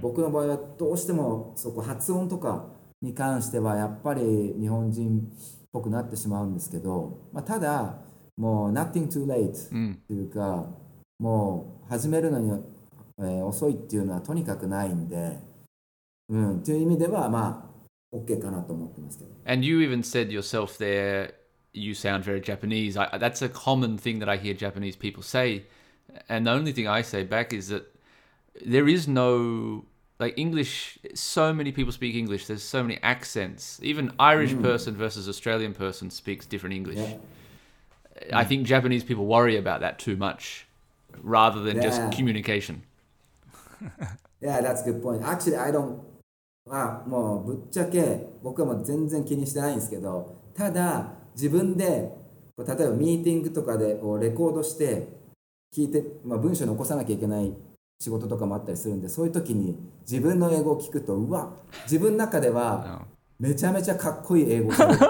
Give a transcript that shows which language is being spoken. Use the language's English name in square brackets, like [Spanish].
[Japanese] 僕の場合はどうしてもそこ発音とかに関してはやっぱり日本人っぽくなってしまうんですけど、まあ、ただもう [English] nothing too late [Japanese] というか、もう始めるのに、遅いっていうのはとにかくないんで、という意味ではまあ OK かなと思ってますけど。 [English] And you even said yourself there you sound very Japanese. That's a common thing that I hear Japanese people say, and the only thing I say back is that there is no like English, so many people speak English. There's so many accents. Even Irish person versus Australian person speaks different English. Yeah. I think Japanese people worry about that too much rather than just communication. Yeah, that's a good point. Actually, I don't... [Japanese] もうぶっちゃけ僕はもう全然気にしてないんですけど、ただ自分で例えばミーティングとかでレコードして聞いて、まあ、文章に起こさなきゃいけない仕事とかもあったりするんで、そういう時に自分の英語を聞くと、うわ、自分の中ではめちゃめちゃかっこいい英語だ。